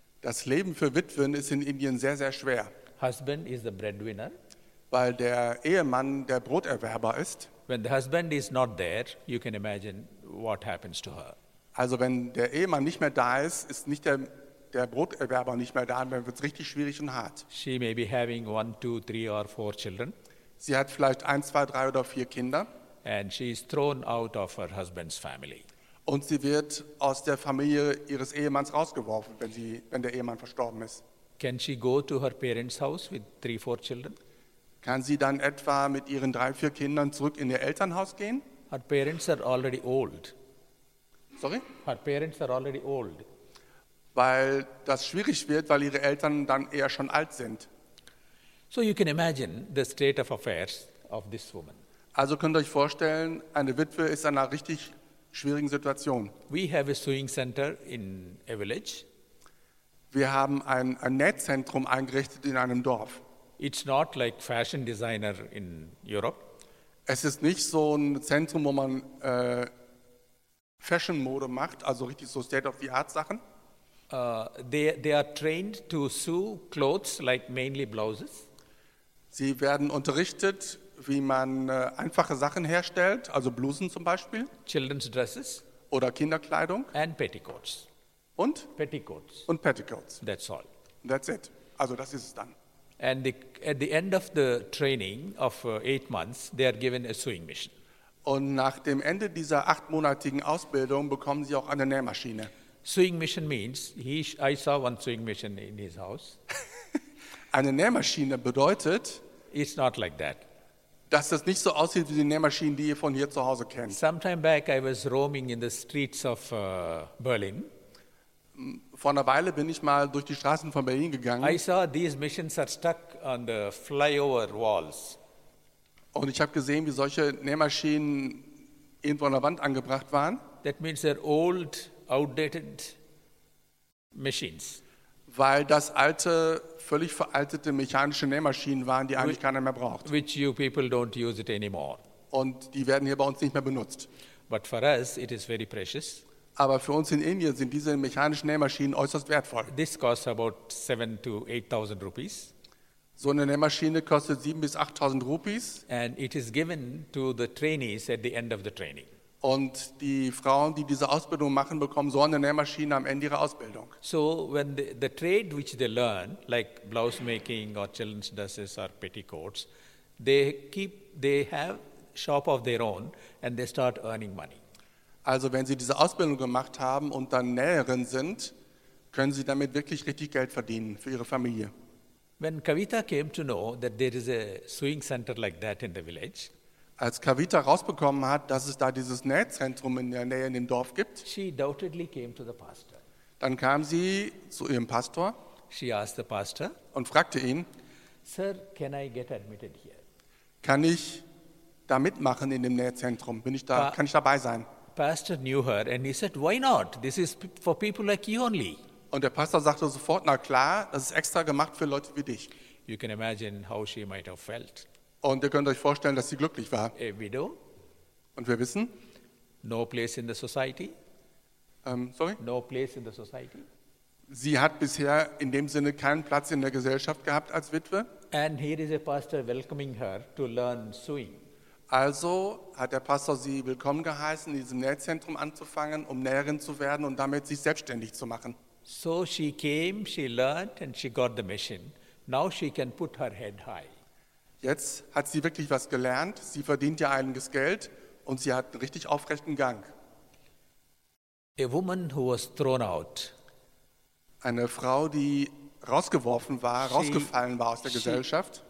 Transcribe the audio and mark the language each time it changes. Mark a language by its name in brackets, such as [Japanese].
[German] Das Leben für Witwen ist in Indien sehr, sehr schwer. [English] Husband is the breadwinner. [German] Weil der Ehemann der Broterwerber ist. [English] When the husband is not there, you can imagine what happens to her. [German] Also wenn der Ehemann nicht mehr da ist, ist nicht der Broterwerber nicht mehr da, dann wird es richtig schwierig und hart. [English] She may be having 1, 2, 3 or 4 children. [German] Sie hat vielleicht 1, 2, 3 oder 4 Kinder. [English] And she is thrown out of her husband's family. [German] Und sie wird aus der Familie ihres Ehemanns rausgeworfen, wenn der Ehemann verstorben ist. [English] Can she go to her parents' house with 3, 4 children? [German] Kann sie dann etwa mit ihren 3, 4 Kindern zurück in ihr Elternhaus gehen? [English] Her parents are already old. Sorry? Her parents are already old. [German] Weil das schwierig wird, weil ihre Eltern dann eher schon alt sind. [English] So you can imagine the state of affairs of this woman. [German] Also könnt ihr euch vorstellen, eine Witwe ist in einer richtig schwierigen Situation. [English] We have a sewing center in a village. [German] Wir haben ein Nähzentrum eingerichtet in einem Dorf. [English] It's not like fashion designer in Europe. [German] Es ist nicht so ein Zentrum, wo man Fashion-Mode macht, also richtig so State-of-the-Art-Sachen. [English] They are trained to sew clothes, like mainly blouses. [German] Sie werden unterrichtet, wie man einfache Sachen herstellt, also Blusen zum Beispiel. [English] Children's dresses. [German] Oder Kinderkleidung. [English] And petticoats. [German] Und? [English] Petticoats. [German] Und Petticoats. [English] That's all. That's it. [German] Also das ist es dann. [English] And at the end of the training of 8 months, they are given a sewing machine. [German] Und nach dem Ende dieser 8-monatigen Ausbildung bekommen sie auch eine Nähmaschine. [English] Sewing machine means, I saw one sewing machine in his house. [German] Eine Nähmaschine bedeutet, [English] it's not like that. [German] Dass das nicht so aussieht wie die Nähmaschinen, die ihr von hier zu Hause kennt. [English] Sometime back I was roaming in the streets of Berlin. [German] Vor einer Weile bin ich mal durch die Straßen von Berlin gegangen. [English] I saw these machines are stuck on the flyover walls. [German] Und ich habe gesehen, wie solche Nähmaschinen irgendwo an der Wand angebracht waren. [English] That means they're old, outdated machines. [German] weil das alte, völlig veraltete mechanische Nähmaschinen waren, die eigentlich keiner mehr braucht. [English] Which you people don't use it anymore. [German] Und die werden hier bei uns nicht mehr benutzt. [English] But for us, it is very precious. [German] Aber für uns in Indien sind diese mechanischen Nähmaschinen äußerst wertvoll. [English] This costs about 7,000 to 8,000 rupees. [German] So eine Nähmaschine kostet 7,000 bis 8,000 Rupees. [English] And it is given to the trainees at the end of the training. [German] Und die Frauen, die diese Ausbildung machen, bekommen so eine Nähmaschine am Ende ihrer Ausbildung. [English] So when the trade which they learn, like blouse making or children's dresses or petticoats, they have shop of their own and they start earning money. [German] Also wenn sie diese Ausbildung gemacht haben und dann Näherin sind, können sie damit wirklich richtig Geld verdienen für ihre Familie. [English] When Kavita came to know that there is a sewing center like that in the village, [German] als Kavita rausbekommen hat, dass es da dieses Nähzentrum in der Nähe in dem Dorf gibt, [English] she doubtedly came to the pastor. [German] Dann kam sie zu ihrem Pastor, [English] she asked the pastor [German] und fragte ihn, [English] Sir, can I get admitted here? [German] Kann ich da mitmachen in dem Nähzentrum? Bin ich da, kann ich dabei sein? [English] Pastor knew her and he said, why not? This is for people like you only. [German] Und der Pastor sagte sofort, na klar, das ist extra gemacht für Leute wie dich. [English] You can imagine how she might have felt. [German] Und ihr könnt euch vorstellen, dass sie glücklich war. [English] A widow. [German] Und wir wissen? [English] No place in the society. No place in the society. [German] Sie hat bisher in dem Sinne keinen Platz in der Gesellschaft gehabt als Witwe. [English] And here is a pastor welcoming her to learn sewing. [German] Also hat der Pastor sie willkommen geheißen, in diesem Nähzentrum anzufangen, um Näherin zu werden und damit sich selbstständig zu machen. [English] So she came, she learned and she got the mission. Now she can put her head high. [German] Jetzt hat sie wirklich was gelernt, sie verdient ja einiges Geld und sie hat einen richtig aufrechten Gang. [English] A woman who was thrown out. [German] Eine Frau, die rausgeworfen war, rausgefallen war aus der Gesellschaft.